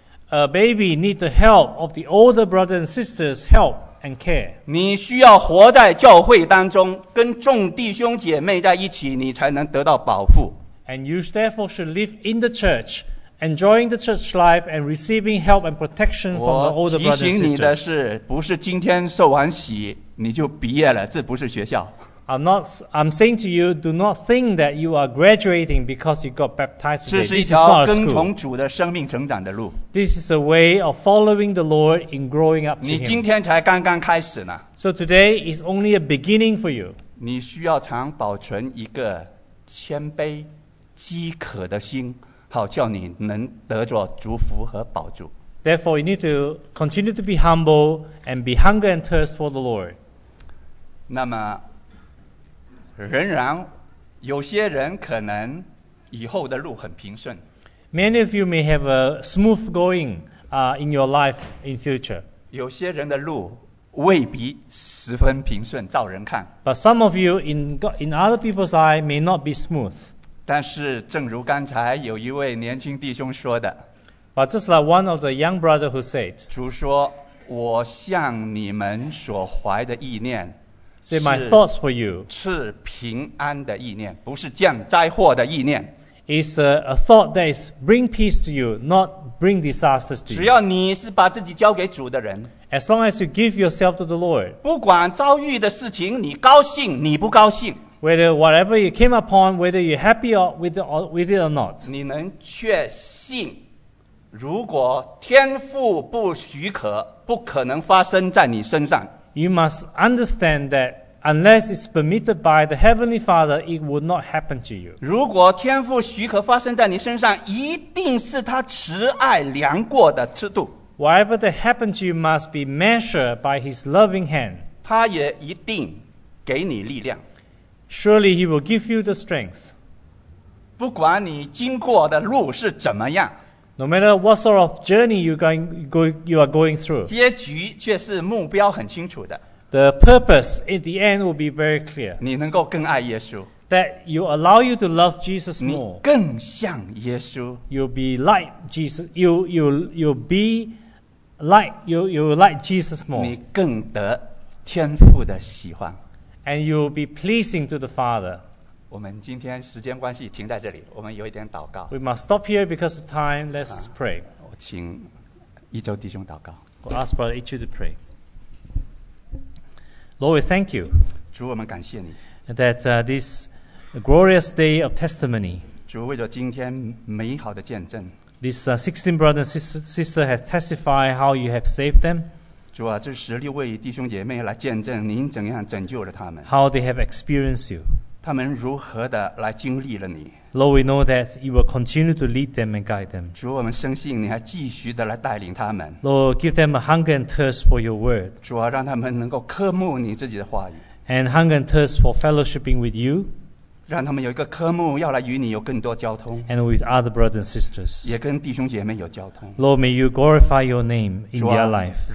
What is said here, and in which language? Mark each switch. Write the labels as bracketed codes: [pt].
[en] ？A baby needs the help of the older brothers and sisters' help. And care. [zh] 你需要活在教会当中，跟众弟兄姐妹在一起，你才能得到保护。 [en] And you therefore should live in the church, enjoying the church life and receiving help and protection from the older brothers and sisters. [zh] 我提醒你的是，不是今天受完洗你就毕业了，这不是学校。 [en] I'm saying to you, do not think that you are graduating because you got baptized today. [zh] 这是一条跟从主的生命成长的路。 [en] This is a way of following the Lord in growing up to Him. [zh] 你今天才刚刚开始呢。 [en] So today is only a beginning for you. [zh] 你需要常保存一个谦卑、饥渴的心，好叫你能得着祝福和保住。 [en] Therefore, you need to continue to be humble and be hunger and thirst for the Lord. [zh] 那么仍然有些人可能以后的路很平顺。 [en] Many of you may have a smooth going in your life in future. [zh] 有些人的路未必十分平顺，照人看。 [en] But some of you in other people's eye may not be smooth. [zh] 但是正如刚才有一位年轻弟兄说的。 [en] But just like one of the young brother who said. [zh] 主说，我向你们所怀的意念。 [en] Say my thoughts for you. [zh] 是平安的意念，不是降灾祸的意念。 [en] It's a thought that is bring peace to you, not bring disasters to you. [zh] 只要你是把自己交给主的人。 [en] As long as you give yourself to the Lord. [zh] 不管遭遇的事情，你高兴，你不高兴。 [en] Whether whatever you came upon, whether you're happy with it or not. [zh] 你能确信，如果天父不许可，不可能发生在你身上。 [en] You must understand that unless it's permitted by the Heavenly Father, it would not happen to you. [zh] 如果天父许可发生在你身上，一定是他慈爱量过的尺度。 [en] Whatever that happened to you must be measured by His loving hand. [zh] 他也一定给你力量。 [en] Surely He will give you the strength. [zh] 不管你经过的路是怎么样。 [en] No matter what sort of journey you are going through, [zh] 结局却是目标很清楚的。 [en] The purpose in the end will be very clear. [zh] 你能够更爱耶稣。 [en] That you allow you to love Jesus more. [zh] 你更像耶稣。 [en] You'll be like Jesus. You'll be like Jesus more. [zh] 你更得天父的喜欢。 [en] And you'll be pleasing to the Father. [zh] 我们今天时间关系停在这里，我们有一点祷告。 [en] We must stop here because of time. Let's pray. [zh] 我请一周弟兄祷告。 [en] We ask Brother Ichu to pray. Lord, we thank you. [zh] 主，我们感谢你。 [en] That this glorious day of testimony. [zh] 主，为了今天美好的见证。 [en] These 16 brothers and sisters have testified how you have saved them. [zh] 主啊，这16位弟兄姐妹来见证您怎样拯救了他们。 [en] How they have experienced you. [zh] 他们如何的来经历了你。 [en] Lord, we know that you will continue to lead them and guide them. [zh] 主，我们深信你还继续的来带领他们。 [en] Lord, give them a hunger and thirst for your word. [zh] 主啊，让他们能够渴慕你自己的话语。 [en] And hunger and thirst for fellowshipping with you. [zh] 让他们有一个科目要来与你有更多交通。 [en] And with other brothers and sisters. [zh] 也跟弟兄姐妹有交通。 [en] Lord, may you glorify your name in their life.